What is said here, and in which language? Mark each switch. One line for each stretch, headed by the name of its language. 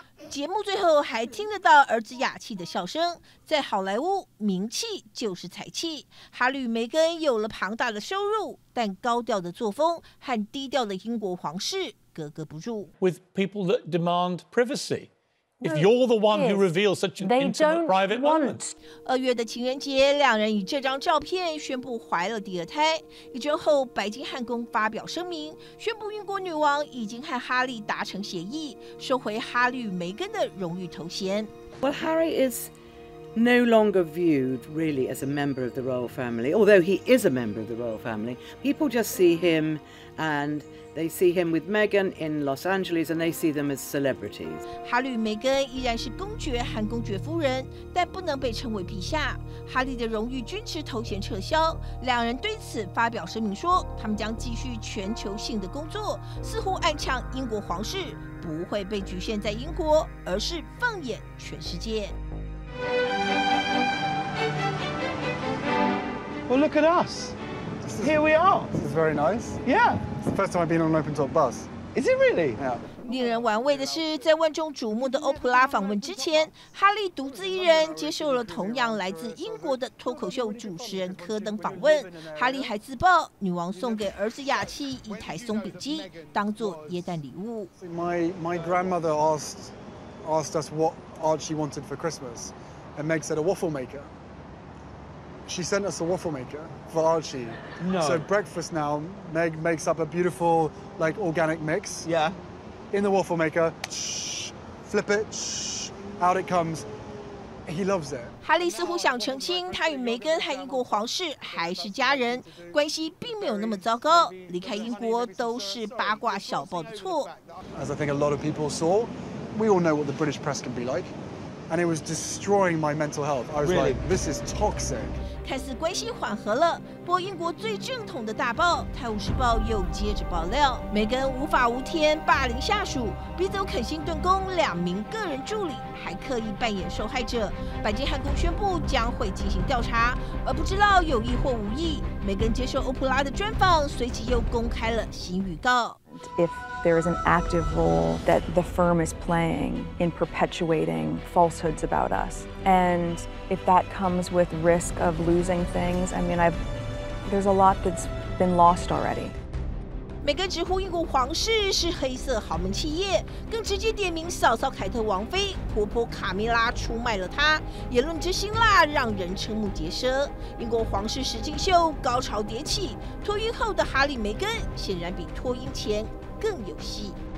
Chinese: 节目最后还听得到儿子雅气的笑声。在好莱坞，名气就是财气。哈利与梅根有了庞大的收入，但高调的作风和低调的英国皇室格格不入。
English: With people that demand privacy. If you're the one who reveals such an intimate private moment.
Chinese: 二月的情人节，两人以这张照片宣布怀了第二胎。一周后，白金汉宫发表声明，宣布英国女王已经和哈利达成协议，收回哈利与梅根的荣誉头衔。
English: Well, Harry is no longer viewed really as a member of the royal family, although he is a member of the royal family. People just see him and. They see him with Meghan in Los Angeles, and they see them as celebrities.
Chinese: 哈利与梅根依然是公爵和公爵夫人，但不能被称为陛下。哈利的荣誉军职头衔撤销，两人对此发表声明说，他们将继续全球性的工作，似乎暗呛英国皇室不会被局限在英国，而是放眼全世界。
English: Well, look at us. Here we are. This is very nice. Yeah. First time I've been on an open-top bus. Is it really? Yeah.
Chinese: 令人玩味的是，在万众瞩目的欧普拉访问之前，哈利独自一人接受了同样来自英国的脱口秀主持人科登访问。哈利还自曝，女王送给儿子雅气一台松饼机，当作耶诞礼物。
English: My grandmother asked us what Archie wanted for Christmas, and Meg said a waffle maker. She sent us a waffle maker for Archie. No. So breakfast now, Meg makes up a beautiful, like, organic mix. Yeah. In the waffle maker, flip it, out it comes. He loves it.
Chinese: 哈利似乎想澄清，他与梅根和英国皇室还是家人，关系并没有那么糟糕。离开英国都是八卦小报的错。
English: As I think a lot of people saw, we all know what the British press can be like. And it was destroying my mental health. I was really? like, this is toxic.
Chinese: 看似关系缓和了，不过英国最正统的大报《泰晤士报》又接着爆料，梅根无法无天霸凌下属，逼走肯辛顿宫两名个人助理，还刻意扮演受害者。白金汉宫宣布将会进行调查，而不知道有意或无意，梅根接受欧普拉的专访，随即又公开了新预告。
English: If there is an active role that the firm is playing in perpetuating falsehoods about us, and if that comes with risk of losing things, I mean, there's a lot that's been lost already.
Chinese: 梅根直呼英国皇室是黑色豪门企业，更直接点名嫂嫂凯特王妃、婆婆卡米拉出卖了她，言论之辛辣让人瞠目结舌。英国皇室实境秀高潮迭起，脱英后的哈利梅根显然比脱英前更有戏。